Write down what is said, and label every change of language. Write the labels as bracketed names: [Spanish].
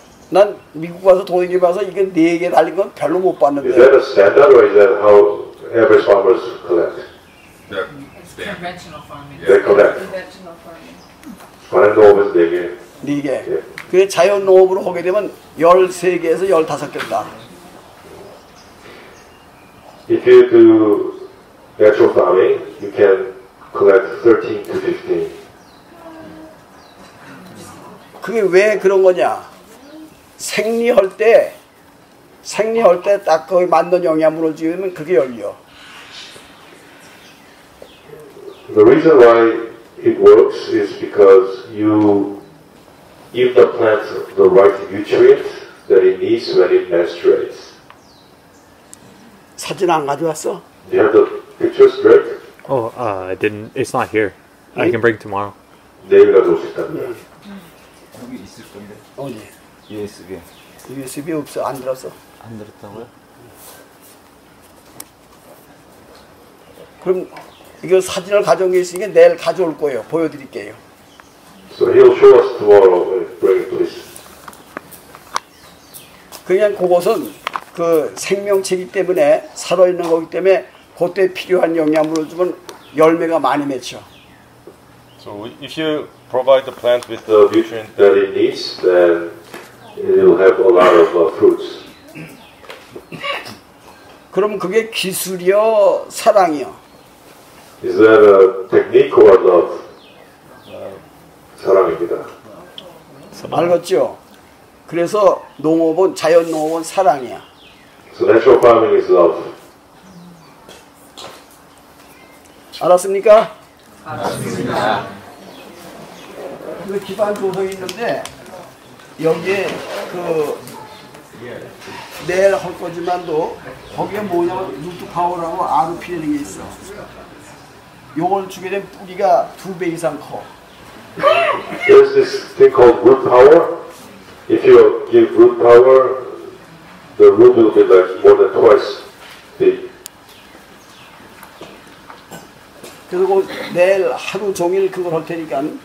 [Korean] 난 미국 와서 동행해 봐서 이게 4개 달린 건 별로 못 봤는데. [English] Is that a standard or is that how every farmers collect? Conventional farming. Yeah. Conventional farming. [Korean] 4개. 그게 자연 농업으로 하게 되면 13개에서 15개다. [English] If you do natural farming, you can collect 13 to 15. [Korean] 그게 왜 그런 거냐? 생리할 때 딱 거기 맞는 영양분을 주면 그게 열려. [English] The reason why it works is because you give the plant the right nutrients that it needs when it menstruates. [Korean] 사진 안 가져왔어? [English] Do you have the pictures, Greg? Oh, I didn't. It's not here. 네? I can bring tomorrow. [Korean] 내일 가져올 수 있답니다. 여기 있을 건데? 어디? USB. USB 없어. 안 들었어. 안 들었다고요? 그럼 이거 사진을 가져온 게 있으니까 내일 가져올 거예요. 보여드릴게요. [English] So he'll show us tomorrow. Bring it, please. [Korean] 그냥 그것은 그 생명체이기 때문에 살아있는 거기 때문에 그때 필요한 영양분을 주면 열매가 많이 맺혀. [English] So if you provide the plant with the nutrient that it needs, then it will have a lot of fruits. [Korean] 그럼 그게 기술이요, 사랑이요? [English] Is that a technique or love? [Korean] 사랑입니다. 알겠죠? 그래서 농업은 자연 농업은 사랑이야. [English] So natural farming is love. [Korean] 알았습니까? 알았습니다. 이거 기반 조성이 있는데 여기에 그 내일 할 거지만도 거기에 뭐냐면 루트파워라고 RPL이 있어. 요걸 주게 되면 뿌리가 두 배 이상 커. [English] There's this thing called root power. If you give root power, the root will be like more than twice big. [Korean] 그리고 내일 하루 종일 그걸 할 테니까.